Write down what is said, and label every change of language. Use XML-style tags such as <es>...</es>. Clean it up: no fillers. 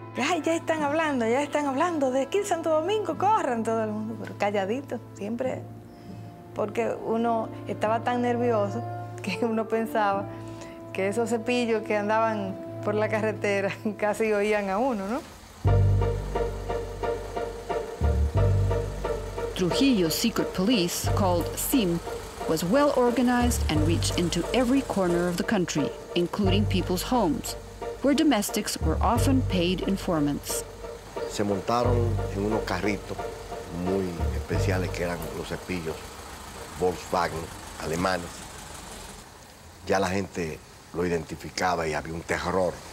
<es>Ay, ya están hablando, de aquí Santo Domingo, corran todo el mundo, pero calladito, siempre. Porque uno estaba tan nervioso que uno pensaba que esos cepillos que andaban por la carretera casi oían a uno, ¿no?</es> <en>Trujillo's secret police, called SIM, was well organized and reached into every corner of the country, including people's homes, where domestics were often paid informants.</en> <es>Se montaron en unos carritos muy especiales que eran los cepillos Volkswagen alemanes. Ya la gente lo identificaba y había un terror.</es>